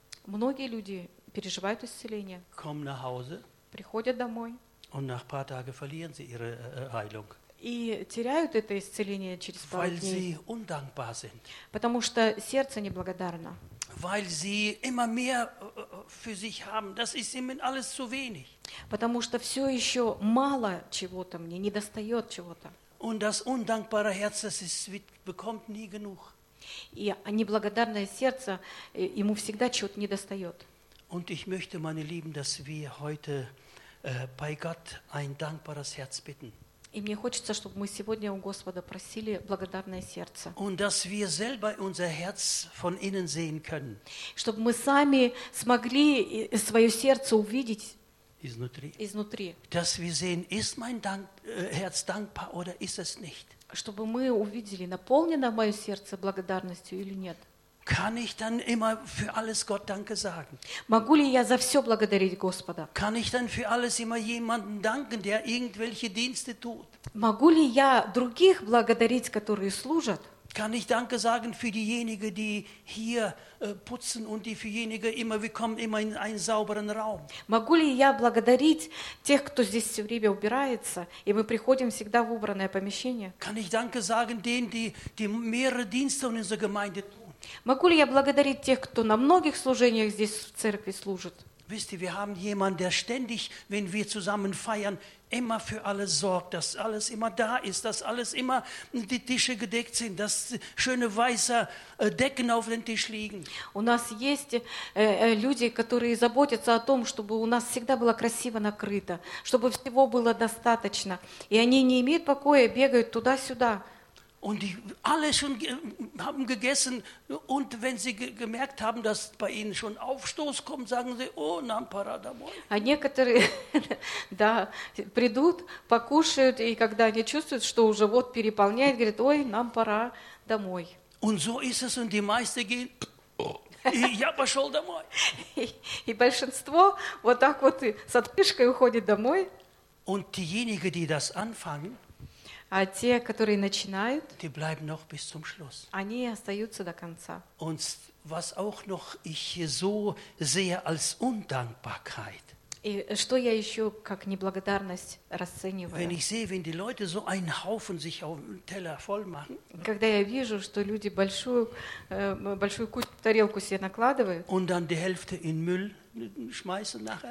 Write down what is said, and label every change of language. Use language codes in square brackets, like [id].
[ru] Многие люди переживают исцеление. [de] Kommen nach Hause. [ru] Приходят домой. [de] Und nach ein paar Tagen verlieren sie ihre Heilung. [ru] И теряют это исцеление через пару [de] Weil [ru] дней. [de] Sie undankbar sind. [ru] Потому что сердце неблагодарно. [de] Weil sie immer mehr für sich haben. Das ist ihnen alles zu wenig. [ru] Потому что все еще мало чего-то мне, недостает чего-то. [de] Und das undankbare Herz, das bekommt nie genug. [ru] И неблагодарное сердце, ему всегда чего-то недостает. [de] Und ich möchte, meine Lieben, dass wir heute bei Gott ein dankbares Herz bitten. [ru] И мне хочется, чтобы мы сегодня у Господа просили благодарное сердце. [de] Und dass wir selber unser Herz von innen sehen können. [ru] Чтобы мы сами смогли свое сердце увидеть изнутри. [de] Dass wir sehen, ist mein Herz dankbar oder ist es nicht? [ru] Чтобы мы увидели, наполнено мое сердце благодарностью или нет. [de] Kann ich dann immer für alles Gott Danke sagen? [ru] Могу ли я за все благодарить Господа? [de] Kann ich dann für alles immer jemanden danken, der irgendwelche Dienste tut? [ru] Могу ли я других благодарить, которые служат? [de] Kann ich Danke sagen für diejenigen, die hier putzen und die fürjenigen immer, wir kommen immer in einen sauberen Raum? [ru] Могу ли я благодарить тех, кто здесь все время убирается, и мы приходим всегда в убранное помещение? [de] Kann ich Danke sagen denen, die mehrere Dienste in unserer Gemeinde tun? [ru] Могу ли я благодарить тех, кто на многих служениях здесь в церкви служит? [de] Wisst ihr, wir haben jemanden, der ständig, wenn wir zusammen feiern, immer für alles sorgt, dass alles immer da ist, dass alles immer die Tische gedeckt sind, dass schöne weiße Decken auf den Tisch liegen. [ru] У нас есть люди, которые заботятся о том, чтобы у нас всегда было красиво накрыто, чтобы всего было достаточно, и они не имеют покоя, бегают туда-сюда. [de] Und die alle schon haben gegessen und wenn sie gemerkt haben, dass bei ihnen schon Aufstoß kommt, sagen sie: [ru] Oh, nam para domoy. А некоторые да придут, покушают и когда они чувствуют, что уже вот переполняет, говорят: Ой, нам пора домой. [de] Und so ist es und die meisten gehen. [ru] И я пошел домой. И большинство вот так вот с отпышкой уходит домой. [de] Und diejenigen, die das anfangen. [ru] А те, которые начинают, [de] die bleiben noch bis zum Schluss. [ru] Они остаются до конца. [de] Und was auch noch ich so sehe als Undankbarkeit. [ru] И что я еще как неблагодарность расцениваю? [de] Wenn ich sehe, wenn die Leute so einen Haufen sich auf dem Teller voll machen. [ru] Когда я вижу, что люди большую кучу тарелку себе накладывают. [de] Und dann die Hälfte in Müll schmeißen nachher.